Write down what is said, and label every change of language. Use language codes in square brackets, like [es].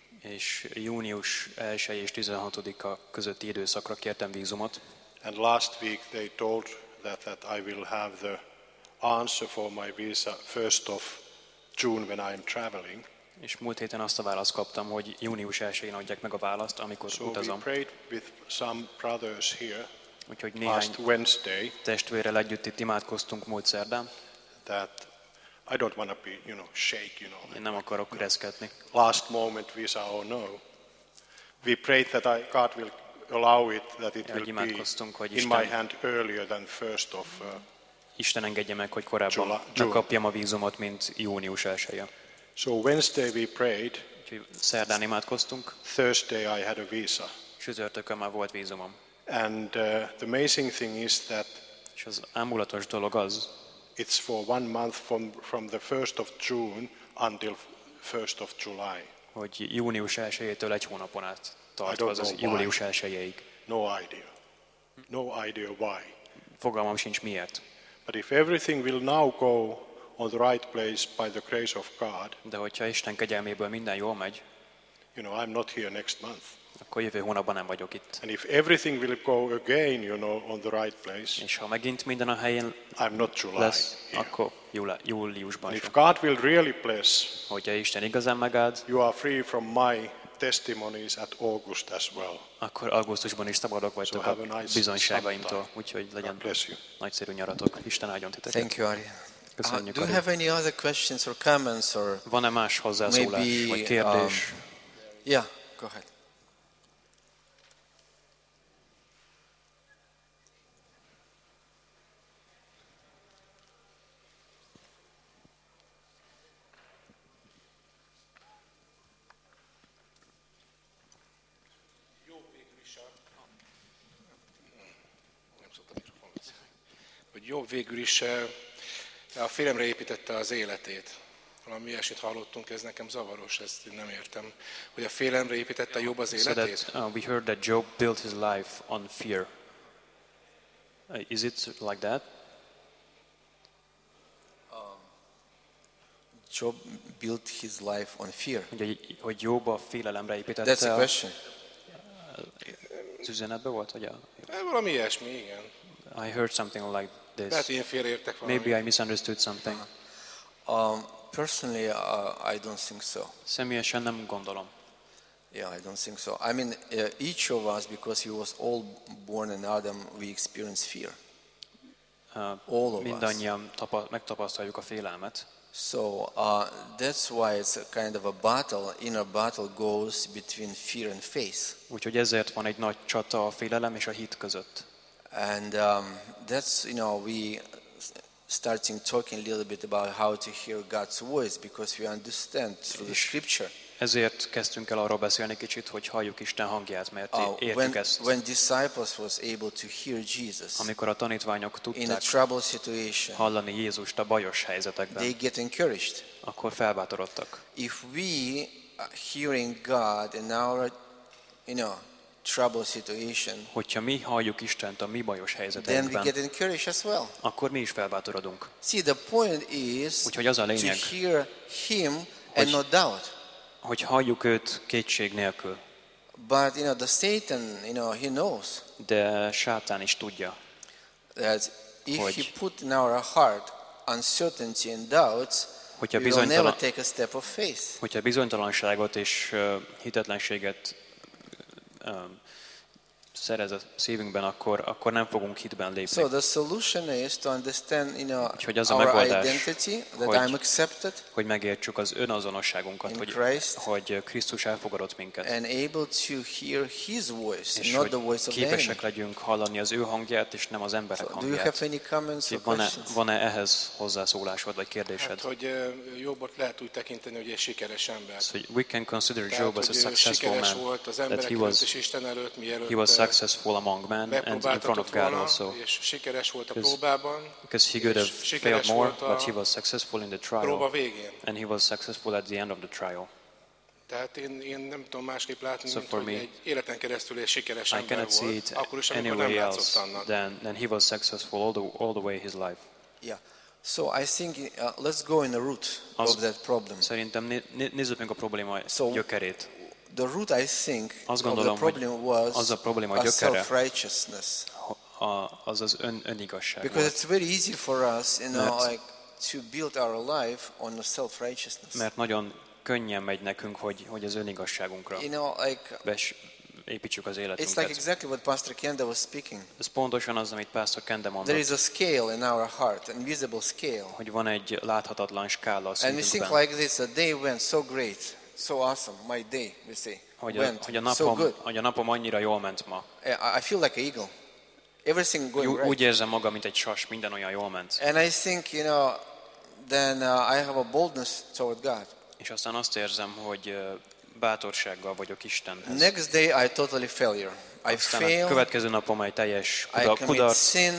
[hu] És június 1 és 16-a közötti időszakra kértem vízumot. [en] And last week they told that I will have the answer for my visa 1st of June when I am traveling. [hu] És múlt héten azt a választ kaptam, hogy június 1-én adják meg a választ, amikor [en] so [hu] utazom. [en] We prayed with some brothers here. [hu] Úgyhogy néhány testvérrel együtt itt imádkoztunk múlt szerdán. [en] That I don't want to be, you know, shake, you know. [hu] Én nem akarok reszketni. [en] Last moment visa or no. We prayed that God will allow it, that it will be [hu] Isten, [en] in my hand earlier than 1st of [hu] Isten engedje meg, hogy korábban megkapjam a vízumot, mint június 1-je. [en] So Wednesday we prayed. [hu] Szerdán imádkoztunk. [en] Thursday I had a visa. [hu] Csütörtökön már volt vízumom. [en] And the amazing thing is that [hu] és az ámulatos dolog az, [en] it's for 1 month from the 1st of June until 1st of July. [hu] Hogy június 1-től egy hónapon át tartva az július 1-jéig. [en] No idea. No idea why. [hu] Fogalmam sincs miért. [en] But if everything will now go on the right place by the grace of God. [hu] De hogyha Isten kegyelméből minden jól megy. [en] You know, I'm not here next month. [hu] Akkor jövő hónapban nem vagyok itt. [en] And if everything will go again, you know, on the right place. [hu] És ha megint minden a helyén [en] I'm not July [hu] lesz, [en] here. [hu] Akkor júliusban. [en] If God will really bless. [hu] Hogyha Isten igazán megáld. You are free from my testimonies at August as well. Akkor augusztusban is szabadok vagytok a bizonyságaimtól, úgyhogy legyen nagyszerű nyaratok. Isten áldjon titeket. [en] Thank you, Ari. [hu] Köszönjük, [en] do you have any other questions or comments or [hu] van-e más hozzászólás, [en] maybe, [hu] vagy kérdés? [en] Yeah, go ahead. [hu] hogy Jobb végül is a félemre építette az életét. Valami ilyesmit hallottunk, ez nekem zavaros, ezt nem értem. Hogy a félemre építette Jobb az életét? [en] So that, we heard that Job built his life on fear. Is it like that? Job built his life on fear. [hu] Hogy Jobb a félelemre építette. [en] That's a question. [hu] Üzenetbe volt, hogy valami ilyesmi, igen. [en] I heard something like this. Maybe I misunderstood something. Personally, I don't think so. [hu] Személyesen nem gondolom. [en] Yeah, I don't think so. I mean, each of us, because we was all born in Adam, we experience fear. All of us. [hu] Mindannyian megtapasztaljuk a félelmet. [en] So that's why it's a kind of a battle. Inner battle goes between fear and faith. [hu] Úgyhogy ezért van egy nagy csata a félelem és a hit között. [en] And that's, you know, we starting talking a little bit about how to hear God's voice because we understand through the scripture. [hu] Ezért kezdtünk el arról beszélni kicsit, hogy halljuk Isten hangját, mert értjük ezt. [en] When disciples was able to hear Jesus. [hu] Amikor a tanítványok tudták [en] in a troubled situation, [hu] hallani Jézust a bajos helyzetekben. [en] They get encouraged. [hu] Akkor felbátorodtak. [en] If we hearing God in our, you know, trouble situation. [hu] Hogyha mi halljuk Istent a mi bajos helyzetekben. [en] Then we get encouraged as well. [hu] Akkor mi is felbátorodunk. [en] See, the point is, [hu] úgyhogy az a lényeg, [en] to hear him and no doubt. [hu] Hogy halljuk őt kétség nélkül. [en] But you know, the Satan, you know, he knows. [hu] De Sátán is tudja. [en] That if he put in our heart uncertainty and doubts, we'll never take a step of faith. [hu] Hogyha bizonytalanságot és hitetlenséget szerez a szívünkben, akkor nem fogunk hitben lépni. [en] So the solution is to understand, you know, [hu] úgyhogy az a [en] our [hu] megoldás, [en] identity, that I'm accepted, [hu] hogy megértsük az önazonosságunkat, hogy Krisztus elfogadott minket. [en] And able to hear his voice, [hu] és [en] not the voice of men. [hu] Képesek legyünk hallani az ő hangját, és nem az emberek hangját. Do you have any comments or questions? Van-e ehhez hozzászólásod, vagy kérdésed? Hát, hogy Jobbot lehet úgy tekinteni, hogy egy sikeres ember. [en] So we can consider Job as a successful man. [hu] Volt az emberek és Isten előtt, mielőtt [en] successful among men and in front of God also. [hu] És sikeres volt a próbában. [en] Because he could have failed more, but he was successful in the trial. [hu] Próba végén. [en] And he was successful at the end of the trial. [hu] Tehát én nem tudom másképp látni, mint hogy egy életen keresztül egy sikeres ember volt. [en] I cannot see it anywhere else than he was successful all the way his life. Yeah. So I think let's go in the root of that problem. [hu] Szerintem nézzük meg a probléma gyökerét. [en] The root, I think, [hu] azt gondolom, [en] of the problem was [hu] az a probléma a gyökere, [en] self-righteousness. [hu] Az önigazság. [en] Because it's very easy for us, you know, like to build our life on the self-righteousness. [hu] Mert nagyon könnyen megy nekünk, hogy az önigazságunkra. [en] You know, like [hu] építsük az életünket. [en] It's like exactly what Pastor Kenda was speaking. [hu] Ez pontosan az, amit Pastor Kenda mondott. [en] There is a scale in our heart, an invisible scale. [hu] Hogy van egy láthatatlan skála a szívünkben. [en] And we think like this, a day went so great. So awesome, my day, we say. [hu] Hogy a napom annyira jól ment ma. [en] I feel like an eagle. Everything going right. [hu] Úgy érzem magam, mint egy sas, minden olyan jól ment. [en] And I think, you know, then I have a boldness toward God. [hu] És aztán azt érzem, hogy bátorsággal vagyok Istenhez. [en] Next day I totally failure. I [hu] aztán [en] fail. [hu] A következő napom egy teljes kudarc.